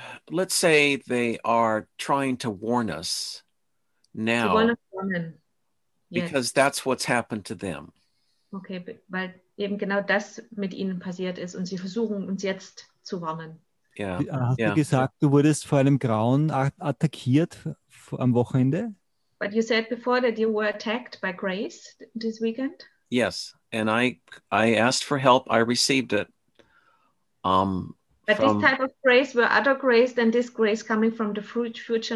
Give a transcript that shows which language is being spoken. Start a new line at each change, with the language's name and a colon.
English: Let's say they are trying to warn us now.
German: Sie wollen uns warnen.
English: Because that's what's happened to them.
German: Okay, weil eben genau das mit ihnen passiert ist und sie versuchen uns jetzt zu warnen.
English: Yeah.
German: Hast du gesagt, du wurdest vor einem Grauen attackiert am Wochenende?
English: But you said before that you were attacked by Grace this weekend? Yes, and I asked for help. I received it. But this type of grays were other grays than this grays coming from the future.